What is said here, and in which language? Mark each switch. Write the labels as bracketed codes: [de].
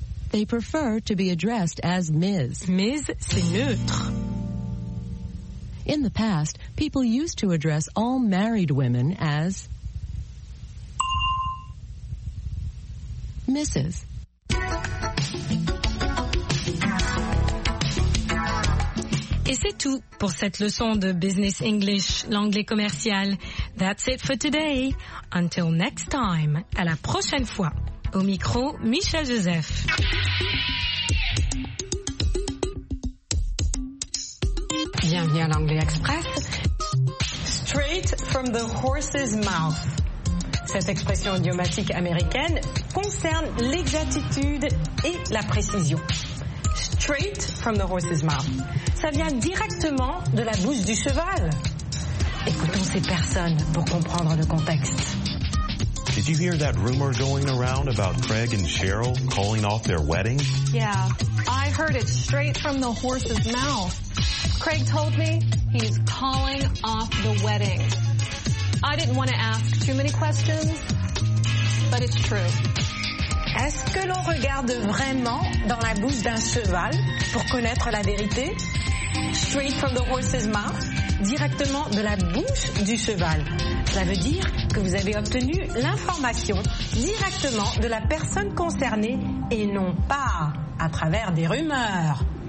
[en] They prefer to be addressed as Ms. [fr] Ms, c'est neutre. [en] In the past, people used to address all married women as Mrs. [fr] Et c'est tout pour cette leçon de Business English, l'anglais commercial. [en] That's it for today. Until next time, [fr] à la prochaine fois. Au micro, Michel Joseph. Bienvenue à l'Anglais Express. [en] Straight from the horse's mouth. [fr] Cette expression idiomatique américaine concerne l'exactitude et la précision. [en] Straight from the horse's mouth. [fr] Ça vient directement de la bouche du cheval. Écoutons ces personnes pour comprendre le contexte. [en] Did you hear that rumor going around about Craig and Cheryl calling off their wedding? Yeah, I heard it straight from the horse's mouth. Craig told me he's calling off the wedding. I didn't want to ask too many questions, but it's true. [fr] Est-ce que l'on regarde vraiment dans la bouche d'un cheval pour connaître la vérité? [en] Straight from the horse's mouth. [fr] Directement de la bouche du cheval. Ça veut dire que vous avez obtenu l'information directement de la personne concernée et non pas à travers des rumeurs.